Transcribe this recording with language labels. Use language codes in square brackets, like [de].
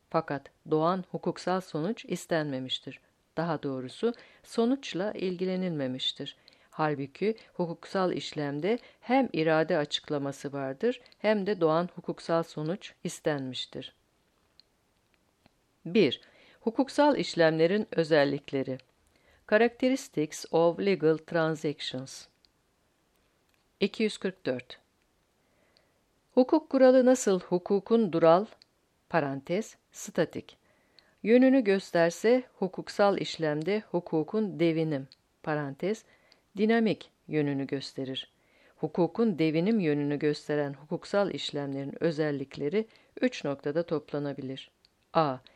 [tr] Fakat doğan hukuksal sonuç istenmemiştir. Daha doğrusu sonuçla ilgilenilmemiştir. Halbuki hukuksal işlemde hem irade açıklaması vardır hem de doğan hukuksal sonuç istenmiştir. 1. Hukuksal işlemlerin özellikleri. [en] Characteristics of legal transactions. [tr] 244. Hukuk kuralı nasıl hukukun dural, parantez, statik, yönünü gösterse hukuksal işlemde hukukun devinim, parantez, dinamik yönünü gösterir. Hukukun devinim yönünü gösteren hukuksal işlemlerin özellikleri 3 noktada toplanabilir. A.